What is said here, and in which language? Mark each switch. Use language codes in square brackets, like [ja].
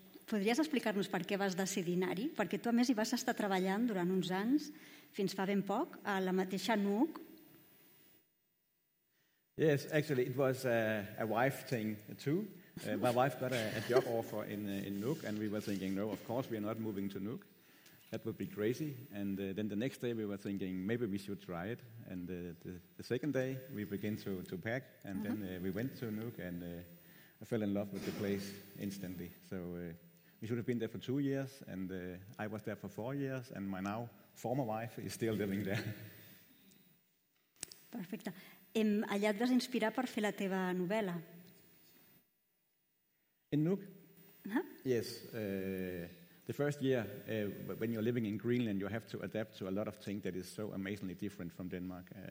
[ca] Podries explicar-nos per què vas decidir anar-hi? Perquè tu, a més, hi vas estar treballant durant uns anys, fins fa ben poc, a la mateixa Nuuk. [en] Yes, actually, it was a wife thing, too. My wife got a job offer in Nuuk, and we were thinking, no, of course, we are not moving to Nuuk. That would be crazy. And then the next day, we were thinking, maybe we should try it. And the second day, we began to pack, and then we went to Nuuk, and I fell in love with the place instantly. So we should have been there for 2 years, and I was there for 4 years, and my now former wife is still living there. Perfect. [ca] Allà et vas inspirar per fer la teva novel·la. [en] In Nuuk? Huh? Yes. The first year, when you're living in Greenland, you have to adapt to a lot of things that is so amazingly different from Denmark.